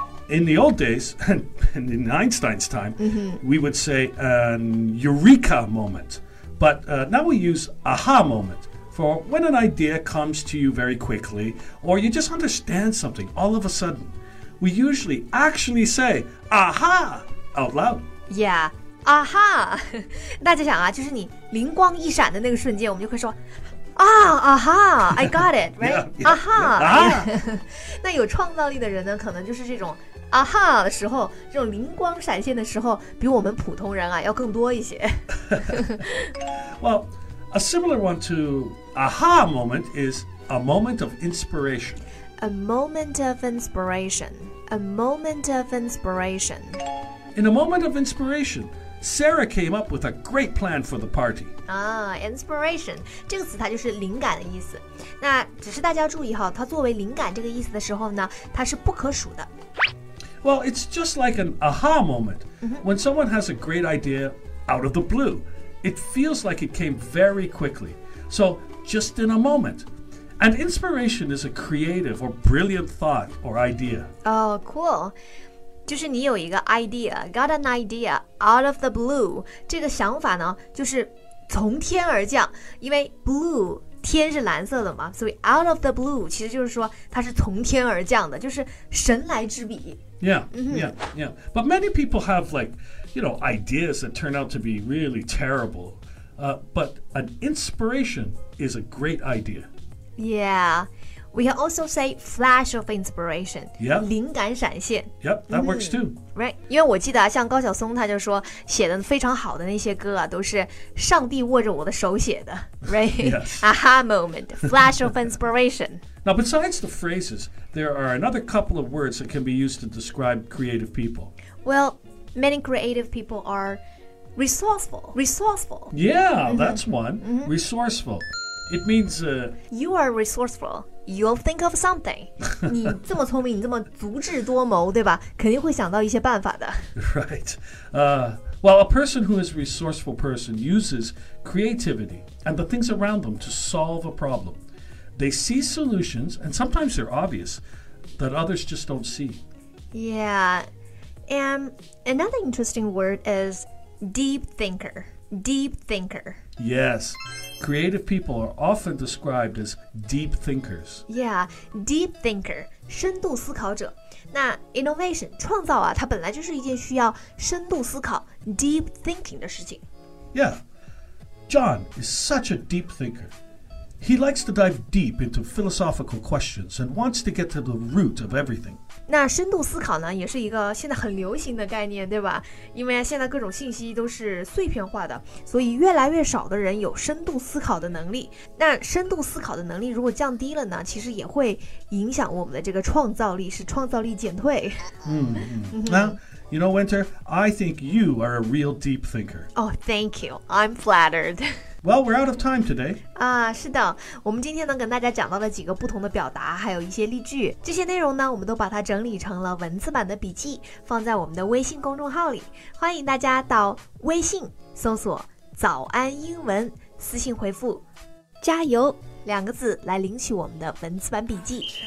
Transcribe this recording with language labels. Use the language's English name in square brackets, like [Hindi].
[English] In the old days, and in Einstein's time, we would say an eureka moment. But now we use aha moment for when an idea comes to you very quickly, or you just understand something all of a sudden. We usually actually say aha out loud. Yeah, aha. [Chinese] 大家想啊，就是你灵光一闪的那个瞬间，我们就会说 [English] Ah, aha, I got it, right? Yeah, yeah, aha. Yeah, aha. [Chinese] 那有创造力的人呢，可能就是这种 aha 的时候，这种灵光闪现的时候，比我们普通人啊要更多一些。 [English] Well, a similar one to aha moment is a moment of inspiration. A moment of inspiration. A moment of inspiration. In a moment of inspiration,Sarah came up with a great plan for the party. Ah, inspiration. [Chinese] 这个词它就是灵感的意思。那只是大家注意哈，它作为灵感这个意思的时候呢，它是不可数的。 [English] Well, it's just like an aha moment. When someone has a great idea out of the blue, it feels like it came very quickly. So, just in a moment. And inspiration is a creative or brilliant thought or idea. Oh, cool. [Chinese] 就是你有一个 [English] idea, got an idea out of the blue. [Chinese] 这个想法呢就是从天而降因为 blue, 天是蓝色的嘛所以 [English] out of the blue, [Chinese] 其实就是说它是从天而降的就是神来之笔。 [English] Yeah, yeah, yeah. But many people have like, you know, ideas that turn out to be really terrible. But an inspiration is a great idea. Yeah. We can also say flash of inspiration. Yeah. [Chinese] 灵感闪现。 [English] Yep, that works too. Right. [Chinese] 因为我记得像高晓松他就说写的非常好的那些歌啊都是上帝握着我的手写的。 [English] Right. Yes. Aha moment. Flash of inspiration. Now, besides the phrases, there are another couple of words that can be used to describe creative people. Well, many creative people are resourceful. Yeah, that's one. Mm-hmm. Resourceful. It means... You are resourceful. You'll think of something. [Chinese] 你这么聪明，你这么足智多谋，对吧？肯定会想到一些办法的。 [English] Right. Well, a person who is a resourceful person uses creativity and the things around them to solve a problem. They see solutions, and sometimes they're obvious, that others just don't see. Yeah. And another interesting word is deep thinker. Deep thinker. Yes. Creative people are often described as deep thinkers. Yeah, deep thinker, [Chinese] 深度思考者。那 innovation, 创造啊，它本来就是一件需要深度思考 deep thinking 的事情。 [English] Yeah, John is such a deep thinker. He likes to dive deep into philosophical questions and wants to get to the root of everything. [Chinese] 那深度思考呢也是一个现在很流行的概念对吧因为现在各种信息都是碎片化的所以越来越少的人有深度思考的能力那深度思考的能力如果降低了呢其实也会影响我们的这个创造力使创造力减退 [English] Well, you know Winter, I think you are a real deep thinker. Oh, thank you. I'm flattered. Well, we're out of time today. [Chinese] 啊，是的，我们今天呢跟大家讲到了几个不同的表达，还有一些例句。这些内容呢，我们都把它整理成了文字版的笔记，放在我们的微信公众号里。欢迎大家到微信搜索“早安英文”，私信回复“加油”两个字来领取我们的文字版笔记。